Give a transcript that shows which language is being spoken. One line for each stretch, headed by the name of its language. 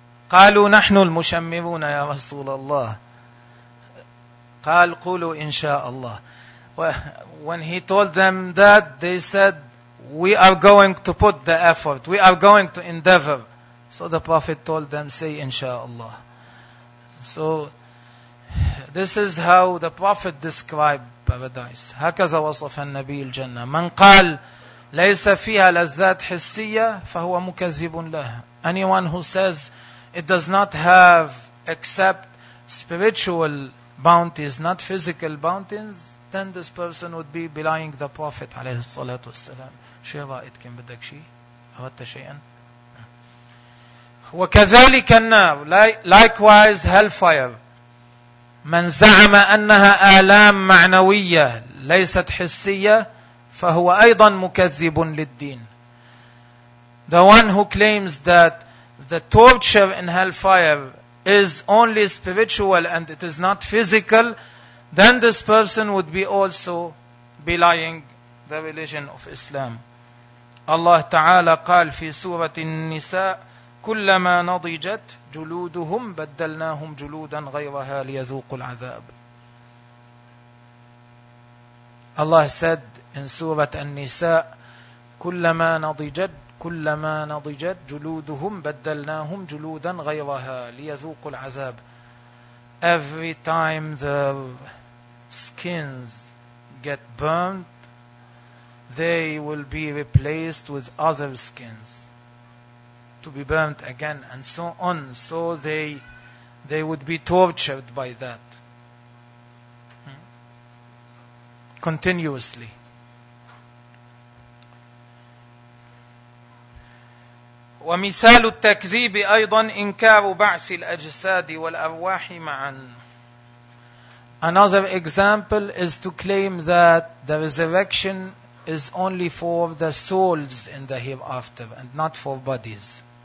Arabic: قالوا نحن المشمرون يا رسول الله قال قولوا إن شاء الله.
English: When he told them that, they said, we are going to put the effort, we are going to endeavor. So the Prophet told them, say inshallah. So this is how the Prophet described paradise.
Arabic: هكذا وصف النبي الجنة. من قال ليس فيها لذات حسية فهو مكذب له.
English: Anyone who says it does not have except spiritual bounties, not physical bounties, then this person would be belying the Prophet
Arabic: عليه الصلاة والسلام. شو رأيت كم بدك شيء؟ أردت شيئا؟ وكذلك النار.
English: Likewise hellfire.
Arabic: من زعم أنها آلام معنوية ليست حسية فهو أيضا مكذب للدين.
English: The one who claims that the torture in hellfire is only spiritual and it is not physical, then this person would be also belying the religion of Islam.
Arabic: Allah Ta'ala قال في سورة النساء كلما نضجت جلودهم بدلناهم جلودا غيرها ليذوقوا العذاب.
English: Allah said in
Arabic: سورة النساء كلما نضجت كلما نضجت جلودهم بدلناهم جلودا غيرها ليذوقوا العذاب.
English: Every time the skins get burnt, they will be replaced with other skins to be burnt again and so on. So they would be tortured by that continuously.
Arabic: ومثال التكذيب أيضا إنكار بعث الأجساد والأرواح معا.
English: Another example is to claim that the resurrection is only for the souls in the hereafter and not for bodies.